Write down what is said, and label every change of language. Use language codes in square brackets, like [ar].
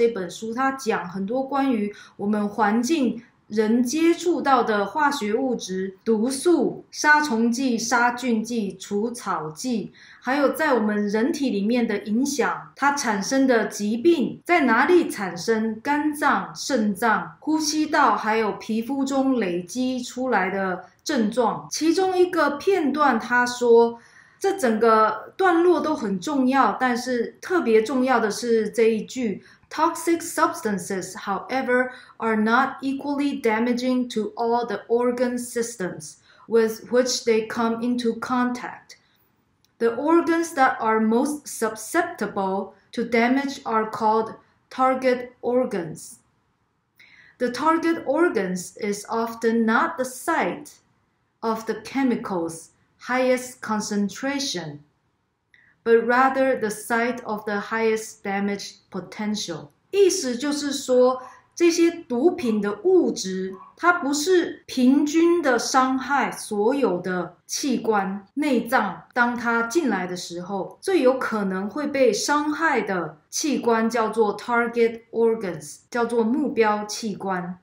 [zh] 这本书它讲很多关于我们环境人接触到的化学物质、毒素、杀虫剂、杀菌剂、除草剂，还有在我们人体里面的影响，它产生的疾病在哪里产生？肝脏、肾脏、呼吸道，还有皮肤中累积出来的症状。其中一个片段，他说，这整个段落都很重要，但是特别重要的是这一句。 [en] Toxic substances, however, are not equally damaging to all the organ systems with which they come into contact. The organs that are most susceptible to damage are called target organs. The target organs is often not the site of the chemical's highest concentration, but rather the site of the highest damage potential. [zh] 意思就是说，这些毒品的物质，它不是平均的伤害所有的器官内脏。当它进来的时候，最有可能会被伤害的器官叫做 target organs，叫做目标器官。